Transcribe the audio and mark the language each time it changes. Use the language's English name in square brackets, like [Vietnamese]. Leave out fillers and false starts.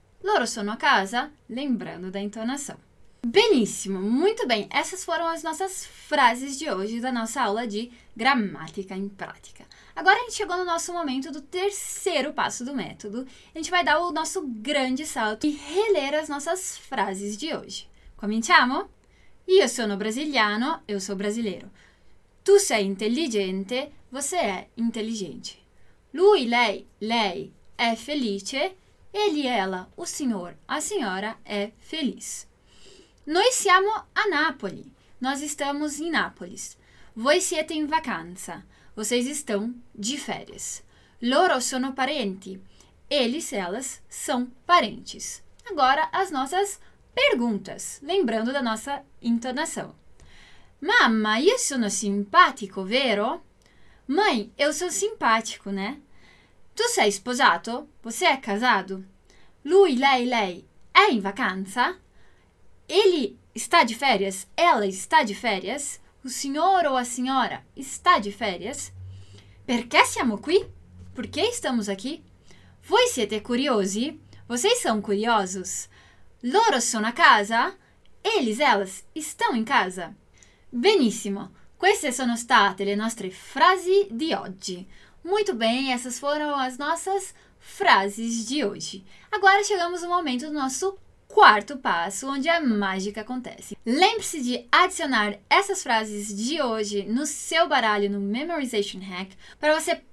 [Italian] Loro sono a casa, [Portuguese] lembrando da entonação. Beníssimo, muito bem. Essas foram as nossas frases de hoje da nossa aula de gramática em prática. Agora a gente chegou no nosso momento do terceiro passo do método. A gente vai dar o nosso grande salto e reler as nossas frases de hoje. [Italian] Cominciamo? Io sono brasiliano, [Portuguese] eu sou brasileiro. [Italian] Tu sei intelligente, [Portuguese] você é intelligente. [Italian] Lui, lei è felice. Egli, [Portuguese] ela, o senhor, a senhora è feliz. [Italian] Noi siamo a Napoli. [Portuguese] Nós estamos em Nápoles. [Italian] Voi siete in vacanza. [Portuguese] Vocês estão de férias. [Italian] Loro sono parenti. [Portuguese] Eles, elas, são parentes. Agora as nossas perguntas, lembrando da nossa entonação. [Italian] Mamma, io sono simpatico, vero? [Portuguese] Mãe, eu sou simpático, né? [Italian] Tu sei sposato? [Portuguese] Você é casado? [Italian] Lui, lei è in vacanza? [Portuguese] Ele está de férias? Ela está de férias? O senhor ou a senhora está de férias? [Italian] Perché siamo qui? [Portuguese] Por que estamos aqui? [Italian] Voi siete curiosi? [Portuguese] Vocês são curiosos? [Italian] Loro sono a casa? [Portuguese] Eles, elas, estão em casa? [Italian] Benissimo, queste sono state le nostre frasi di oggi. [Portuguese] Muito bem, essas foram as nossas frases de hoje. Agora chegamos ao momento do nosso quarto passo, onde a mágica acontece. Lembre-se de adicionar essas frases de hoje no seu baralho, no Memorization Hack, para você